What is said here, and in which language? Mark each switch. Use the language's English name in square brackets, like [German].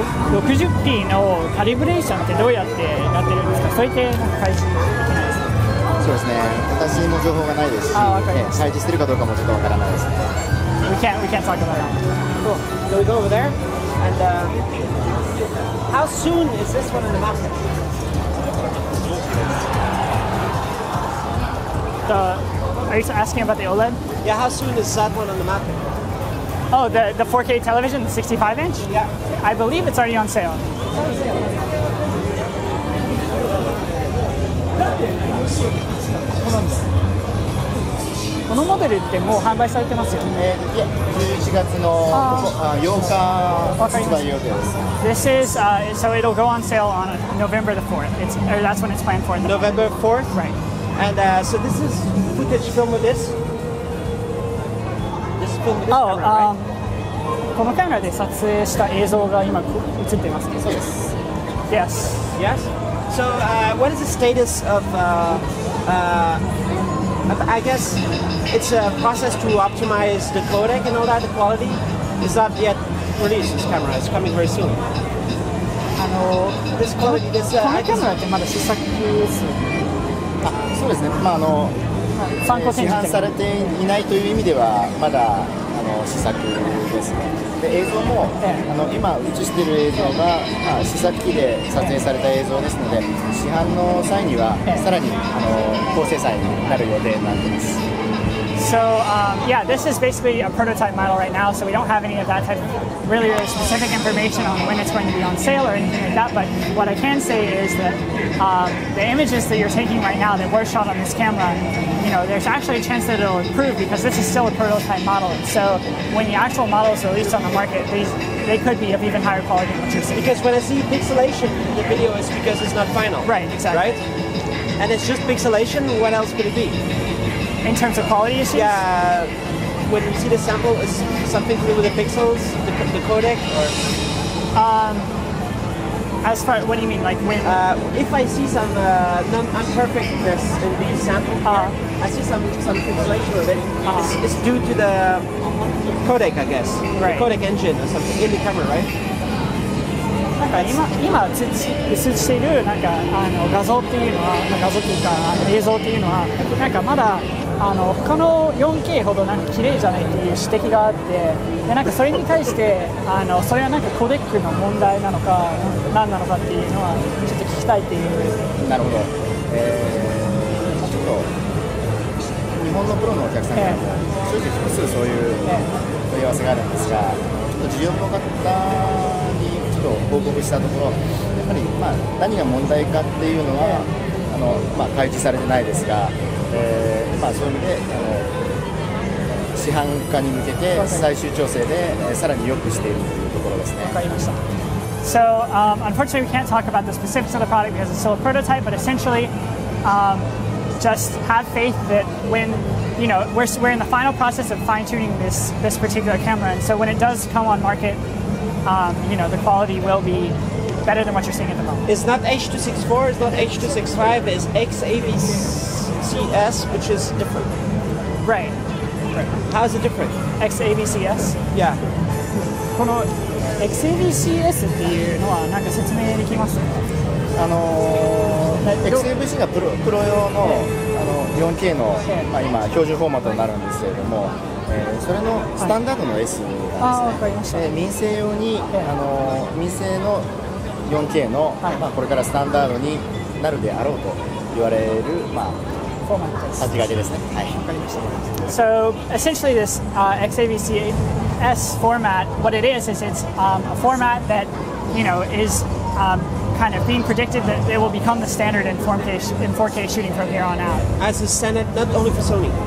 [Japanese] 60P のカリブレーションってどうやってやってるんですか？そうやって開始そうですね。私も情報がないですし、開示してるかどうかもちょっとわからないですね。 [English] We can't talk about that. Cool. So we go over there. And how soon is this one in the market? Are you asking about the OLED? Yeah, how soon is that one on the market? Oh, the 4K television, the 65-inch? Yeah. I believe it's already on sale. [Japanese] このモデルってもう販売されてますよね。 11月の8日発売予定です。 [English] This is so it'll go on sale on November the 4th. It's or that's when it's planned for. November 4th, right? And so this is footage filmed with this. This is filmed with this camera, right? [Japanese] このカメラで撮影した映像が今映ってますけど。 [English] Yes. Yes. Yes. So what is the status of I guess it's a process to optimize the codec and all that, the quality. It's not yet released, this camera. It's coming very soon. This quality, this... [Japanese] このカメラってまだ試作ですよね。そうですね。まあ参考展示されていないという意味では、まだ試作ですね。で映像も、今映している映像が、試作機で撮影された映像ですので、市販の際には、さらに高精細になる予定になっています。 [English] So, yeah, this is basically a prototype model right now, so we don't have any of that type of really, really specific information on when it's going to be on sale or anything like that, but what I can say is that the images that you're taking right now that were shot on this camera, there's actually a chance that it'll improve because this is still a prototype model, and so when the actual model is released on the market, they could be of even higher quality than what you're seeing. Because when I see pixelation in the video, it's because it's not final. Right, exactly. Right? And it's just pixelation, what else could it be? In terms of quality issues? Yeah, when you see the sample, is something to do with the pixels, the codec, or? As far, what do you mean, like when? If I see some non-perfectness in the sample, I see some pixelation of it. It's due to the codec, I guess. Right. The codec engine or something in the camera, right? [Japanese] 今映しているなんか画像っていうのは画像というか映像っていうのはなんかまだ他の 4K ほどなんか綺麗じゃないっていう指摘があってでなんかそれに対してそれはなんかコデックの問題なのか何なのかっていうのはちょっと聞きたいっていうなるほど、ちょっと日本のプロのお客さんからも正直複数そういう問い合わせがあるんですがちょっと需要も高かった報告したところ、やっぱり、何が問題かっていうのは、開示されてないですが、そういう意味で市販化に向けて最終調整で、さらに良くしているというところですね。分かりました。 [English] So, unfortunately, we can't talk about the specifics of the product because it's still a prototype, but essentially, just have faith that when, we're in the final process of fine-tuning this particular camera, and so when it does come on market,the quality will be better than what you're seeing at the moment. It's not H.264, it's not H.265, it's XAVCS, which is different. Right. How is it different? XAVCS? Yeah. [Japanese] この XAVCS っていうのはなんか説明できます? XAVC がプロ用の 4K の、今標準フォーマットになるんですけれどもそれのスタンダードの S なんですね、はい、あ、わかりました。民生用に、民生の 4K の、はい、まあ、これからスタンダードになるであろうと言われる、まあ、フォーマットです。立ち掛けですね。はい、わかりました。 [English] So essentially this XAVC-S format, what it is it's a format that, you know, is kind of being predicted that it will become the standard in 4K shooting from here on out. As a standard, not only for Sony.